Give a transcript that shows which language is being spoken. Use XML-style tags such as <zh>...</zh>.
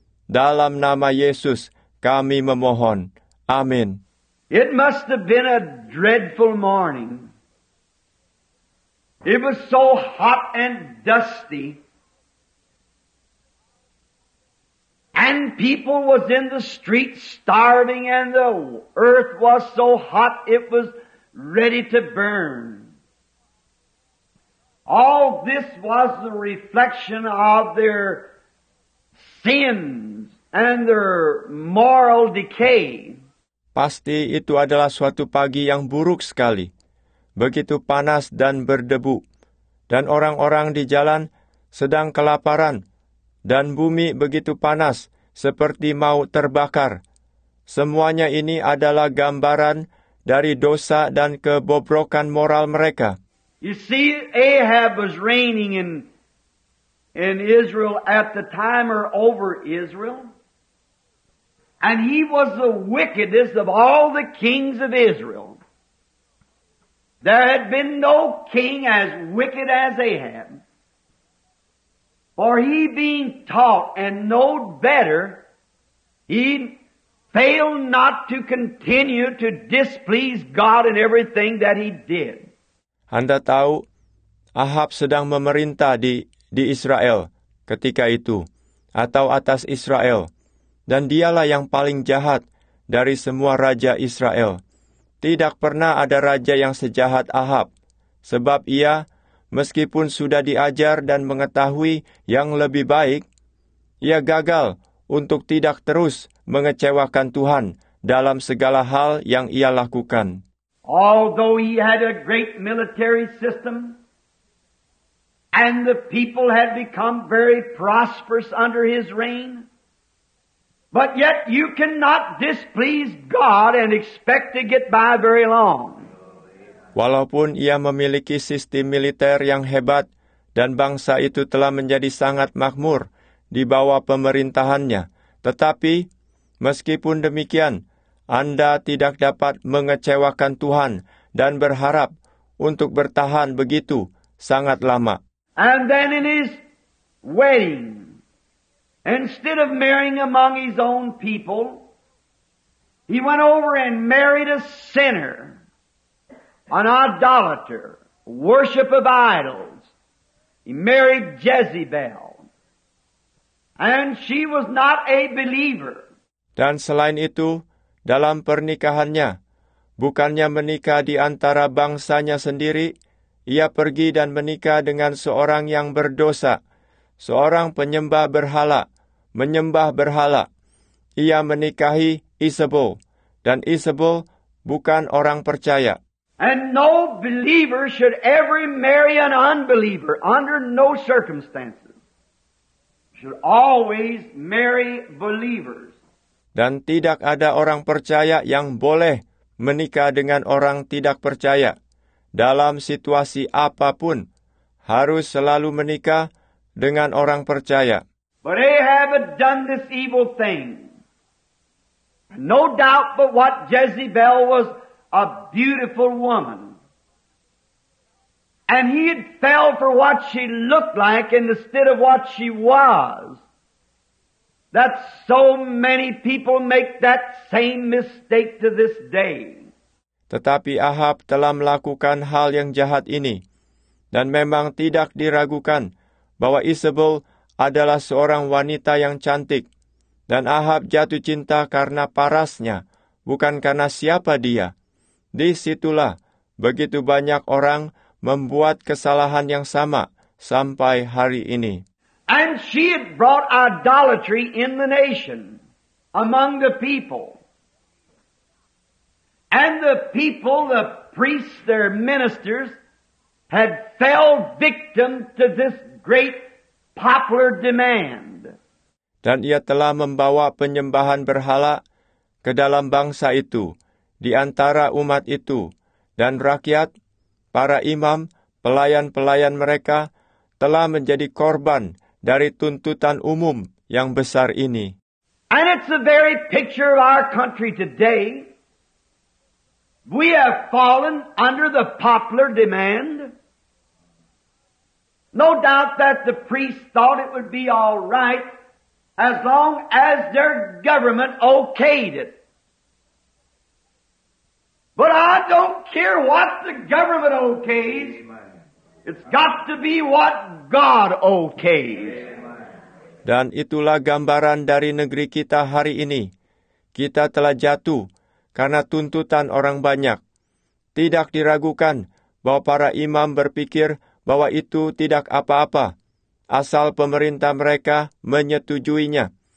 <id>Dalam nama Yesus, kami memohon. Amin.</id> <en>It must have been a dreadful morning. It was so hot and dusty. And people was in the streets starving, and the earth was so hot it was ready to burn. All this was the reflection of their sins and their moral decay.</en> <id>Pasti itu adalah suatu pagi yang buruk sekali, begitu panas dan berdebu, dan orang-orang di jalan sedang kelaparan, dan bumi begitu panas seperti mau terbakar. Semuanya ini adalah gambaran dari dosa dan kebobrokan moral mereka.</id> <en>You see, Ahab was reigning in Israel at the time, or over Israel. And he was the wickedest of all the kings of Israel. There had been no king as wicked as Ahab. For he being taught and knowed better, he failed not to continue to displease God in everything that he did.</en> <id>Anda tahu, Ahab sedang memerintah di Israel ketika itu, atau atas Israel. Dan dialah yang paling jahat dari semua raja Israel. Tidak pernah ada raja yang sejahat Ahab, sebab ia, meskipun sudah diajar dan mengetahui yang lebih baik, ia gagal untuk tidak terus mengecewakan Tuhan dalam segala hal yang ia lakukan.</id> <en>Although he had a great military system, and the people had become very prosperous under his reign, but yet you cannot displease God and expect to get by very long.</en> <id>Walaupun ia memiliki sistem militer yang hebat dan bangsa itu telah menjadi sangat makmur di bawah pemerintahannya, tetapi meskipun demikian, Anda tidak dapat mengecewakan Tuhan dan berharap untuk bertahan begitu sangat lama.</id> <en>And then in his wedding, instead of marrying among his own people, he went over and married a sinner, an idolater, worship of idols. He married Jezebel, and she was not a believer.</en> <id>Dan selain itu, dalam pernikahannya, bukannya menikah di antara bangsanya sendiri, ia pergi dan menikah dengan seorang yang berdosa, seorang penyembah berhala. Menyembah berhala, ia menikahi Isabel, dan Isabel bukan orang percaya.</id> <en>And no believer should ever marry an unbeliever under no circumstances. Should always marry believers.</en> <id>Dan tidak ada orang percaya yang boleh menikah dengan orang tidak percaya. Dalam situasi apapun, harus selalu menikah dengan orang percaya.</id> <en>But Ahab had done this evil thing. No doubt but what Jezebel was a beautiful woman. And he had fell for what she looked like instead of what she was. That so many people make that same mistake to this day.</en> <id>Tetapi Ahab telah melakukan hal yang jahat ini. Dan memang tidak diragukan bahwa Isabel adalah seorang wanita yang cantik, dan Ahab jatuh cinta karena parasnya, bukan karena siapa dia. Disitulah begitu banyak orang membuat kesalahan yang sama sampai hari ini.</id> <en>And she had brought idolatry in the nation, among the people. And the people, the priests, their ministers, had fell victim to this great popular demand.</en> <id>Dan ia telah membawa penyembahan berhala ke dalam bangsa itu, di antara umat itu, dan rakyat, para imam, pelayan-pelayan mereka, telah menjadi korban dari tuntutan umum yang besar ini.</id> <en>And it's the very picture of our country today. We have fallen under the popular demand. No doubt that the priests thought it would be all right as long as their government okayed it. But I don't care what the government okays. It's got to be what God okays.</en> <id>Dan itulah gambaran dari negeri kita hari ini. Kita telah jatuh karena tuntutan orang banyak. Tidak diragukan bahwa para imam berpikir bahwa itu tidak apa-apa, asal pemerintah mereka menyetujuinya.</id>